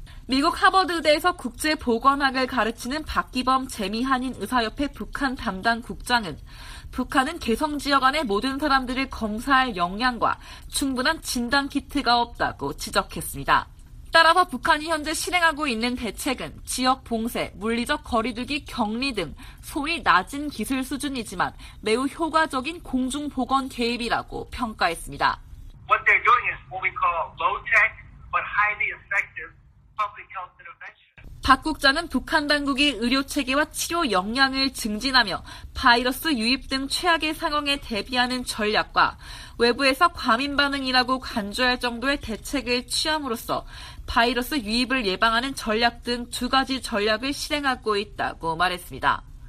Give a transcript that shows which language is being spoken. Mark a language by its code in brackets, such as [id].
[ko] 미국 하버드대에서 국제보건학을 가르치는 박기범 재미한인 의사협회 북한 담당 국장은 북한은 개성 지역 안에 모든 사람들을 검사할 역량과 충분한 진단키트가 없다고 지적했습니다. 따라서 북한이 현재 실행하고 있는 대책은 지역 봉쇄, 물리적 거리두기, 격리 등 소위 낮은 기술 수준이지만 매우 효과적인 공중 보건 개입이라고 평가했습니다. [en] What they're doing is what we call low-tech but highly effective public health intervention. [ko] 박 국장은 북한 당국이 의료 체계와 치료 역량을 증진하며 바이러스 유입 등 최악의 상황에 대비하는 전략과 외부에서 과민 반응이라고 간주할 정도의 대책을 취함으로써 바이러스 유입을 예방하는 전략 등 두 가지 전략을 실행하고 있다고 말했습니다.